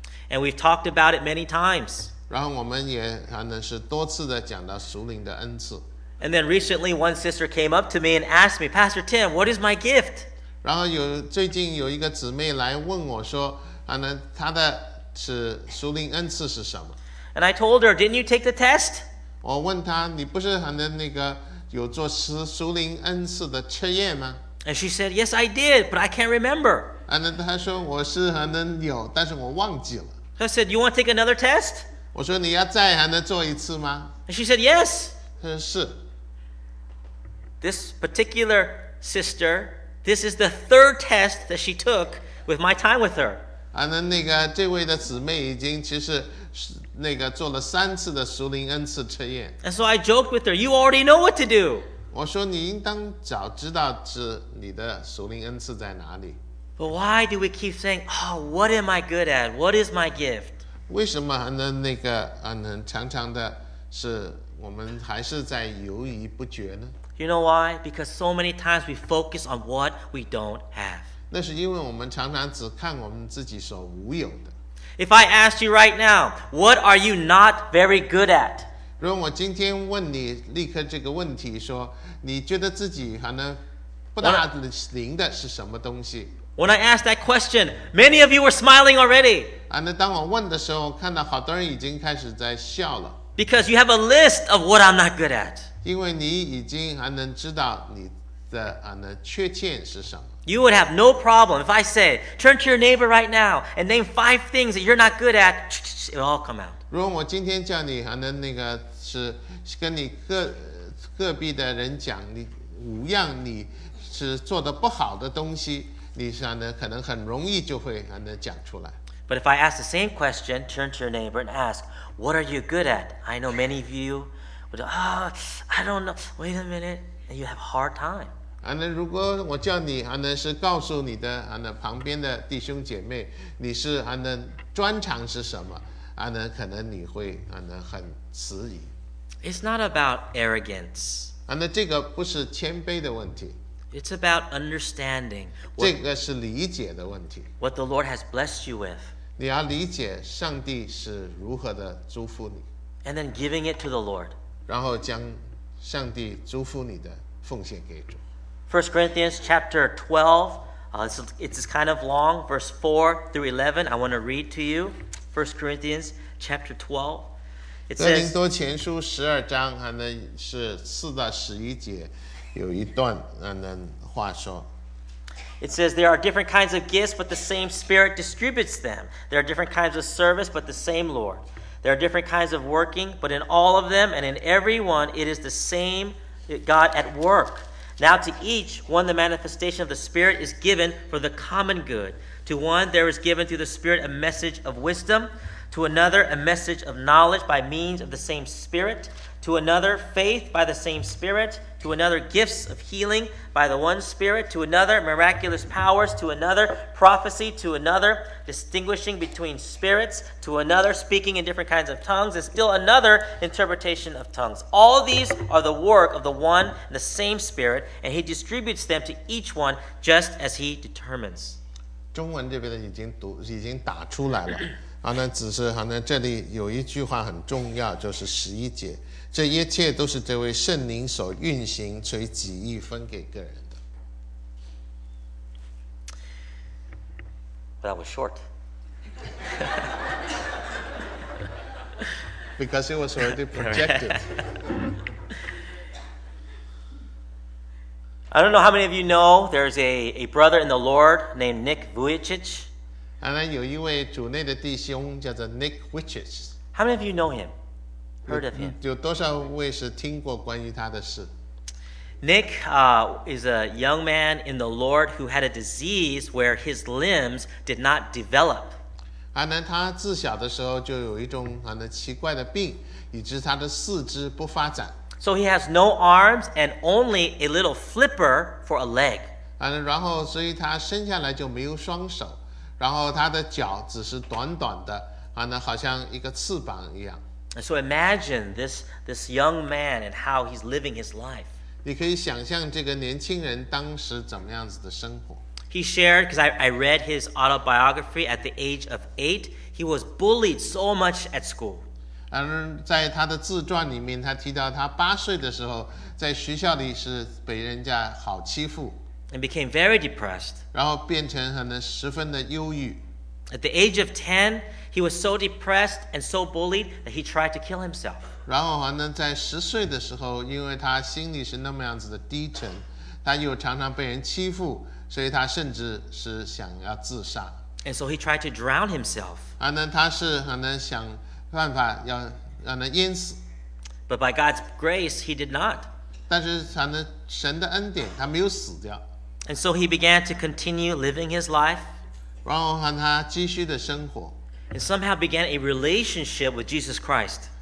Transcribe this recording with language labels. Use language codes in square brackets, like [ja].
[en] And we've talked about it many times. [zh] 然后我们也可能是多次的讲到属灵的恩赐。 [en] And then recently, one sister came up to me and asked me, Pastor Tim, what is my gift? [zh] 然后有最近有一个姊妹来问我说，可能她的是属灵恩赐是什么？ [en] And I told her, didn't you take the test? [zh] 我问她，你不是可能那个有做属灵恩赐的测验吗？ [en] And she said, yes, I did, but I can't remember. [zh] 那她说我是可能有，但是我忘记了。 [en] I said, you want to take another test? [zh] 我说你要再还能做一次吗？ [en] And she said, yes. [zh] 她说是。 [en] This particular sister, this is the third test that she took with my time with her. [zh] 那个这位的姊妹已经其实那个做了三次的属灵恩赐测验。 [en] And so I joked with her, you already know what to do. [zh] 我说你应当早知道是你的属灵恩赐在哪里。 [en] But why do we keep saying, oh, what am I good at? What is my gift? [zh] 为什么常常的是我们还是在犹豫不决呢？ [en] You know why? Because so many times we focus on what we don't have. [zh] 那是因为我们常常只看我们自己所无有的。 [en] If I asked you right now, what are you not very good at? [zh] 如果我今天问你立刻这个问题说，你觉得自己可能不大灵的是什么东西？ [en] When I asked that question, many of you were smiling already. [zh] 当我问的时候，看到好多人已经开始在笑了。 [en] Because you have a list of what I'm not good at. [zh] 因为你已经还能知道你的缺陷是什么。 [en] You would have no problem if I say, turn to your neighbor right now and name five things that you're not good at, it'll all come out. [zh] 如果我今天叫你还能那个是跟你隔壁的人讲你五样你是做的不好的东西，你可能很容易就会还能讲出来。 [en] But if I ask the same question, turn to your neighbor and ask, what are you good at? I know many of you would say, I don't know, wait a minute, and you have a hard time. [zh] 如果我叫你是告诉你的旁边的弟兄姐妹你是专长是什么可能你会很迟疑。 [en] It's not about arrogance. [zh] 这个不是谦卑的问题。 [en] It's about understanding. [zh] 这个是理解的问题。 [en] What the Lord has blessed you with. [zh] 你要理解上帝是如何的祝福你。 [en] And then giving it to the Lord. [zh] 然后将上帝祝福你的奉献给主。 [en] 1 Corinthians chapter 12, it's kind of long, verse 4 through 11. I want to read to you 1 Corinthians chapter 12. It says, [zh] 哥林多前书12章是4到11节有一段话说。 [en] It says, there are different kinds of gifts, but the same Spirit distributes them. There are different kinds of service, but the same Lord. There are different kinds of working, but in all of them and in everyone, it is the same God at work. Now to each one the manifestation of the Spirit is given for the common good. To one there is given through the Spirit a message of wisdom. To another a message of knowledge by means of the same Spirit. To another faith by the same Spirit. To another gifts of healing by the one Spirit. To another miraculous powers. To another prophecy. To another distinguishing between spirits. To another speaking in different kinds of tongues. And still another interpretation of tongues. All these are the work of the one and the same Spirit. And he distributes them to each one just as he determines. [zh] 中文这边已经打出来了。只是这里有一句话很重要，就是十一节。这一切都是这位圣灵所运行，随旨意分给个人的。 [en] That was short. Because it was already projected. I don't know how many of you know, there's a brother in the Lord named Nick Vujicic. [zh] 有一位主内的弟兄叫做 Nick Vujicic. [en] How many of you know him? Heard of him. [zh] 有多少位是听过关于他的事？ [en] Nick is a young man in the Lord who had a disease where his limbs did not develop. [zh] 他自小的时候就有一种奇怪的病，以致他的四肢不发展。 [en] So he has no arms and only a little flipper for a leg. [zh] 然后所以他生下来就没有双手，然后他的脚只是短短的，好像一个翅膀一样。 [en] So imagine this young man and how he's living his life. [zh] 你可以想象这个年轻人当时怎么样子的生活。 [en] He shared, because I read his autobiography at the age of 8, he was bullied so much at school. [zh] 在他的自传里面，他提到他八岁的时候，在学校里是被人家好欺负。 [en] And became very depressed. [zh] 然后变成可能十分的忧郁。 [en] At the age of 10, he was so depressed and so bullied that he tried to kill himself. [zh] 然后呢，在十岁的时候，因为他心里是那么样子的低沉，他又常常被人欺负，所以他甚至是想要自杀。 [en] And so he tried to drown himself. [zh] 呢，他是可能想办法要让他淹死。 [en] But by God's grace, he did not. [zh] 但是呢，神的恩典，他没有死掉。 [en] And so he began to continue living his life. [zh] 然后和他继续的生活。 [en] And somehow began a relationship with Jesus Christ.